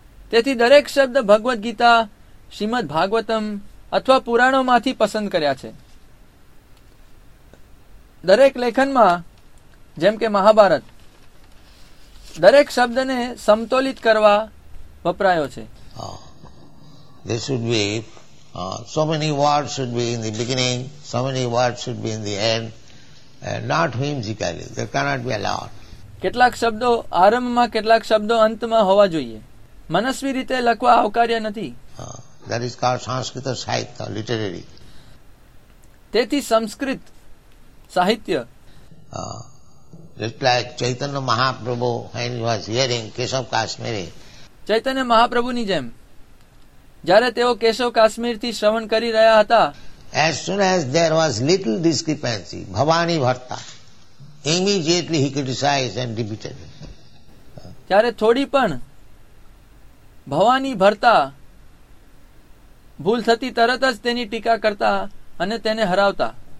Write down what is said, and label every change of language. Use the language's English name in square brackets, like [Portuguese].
[Gujarati] તેથી દરેક શબ્દ ભગવદ્ ગીતા, શ્રીમદ ભાગવતમ અથવા પુરાણોમાંથી પસંદ કર્યા છે. દરેક લેખનમાં જેમ કે મહાભારત, દરેક શબ્દને સંતુલિત કરવા વપરાયો છે. [English] There should be so many words should be in the beginning, so many words should be in the end, not whimsically. There cannot be a lot. [Gujarati] કેટલાક શબ્દો આરંભમાં, કેટલાક શબ્દો અંતમાં હોવા જોઈએ. મનસ્વી રીતે લખવા આવકાર્ય નથી. [English] That is called Sanskrit Sahitya, literary. [Gujarati] તેથી સંસ્કૃત સાહિત્ય. [English] Just like Chaitanya Mahaprabhu when he was hearing Keshav Kashmiri. [Gujarati] ચૈતન્ય મહાપ્રભુની જેમ જયારે તેઓ કેશવ કાશ્મીર થી શ્રવણ કરી રહ્યા હતા, [English] As soon as there was little discrepancy ભવાની ભરતા, immediately he criticised and debated. [Gujarati] જયારે થોડી પણ ભવાની ભરતા ભૂલ થતી, તરત જ તેની ટીકા કરતા અને તેને હરાવતા.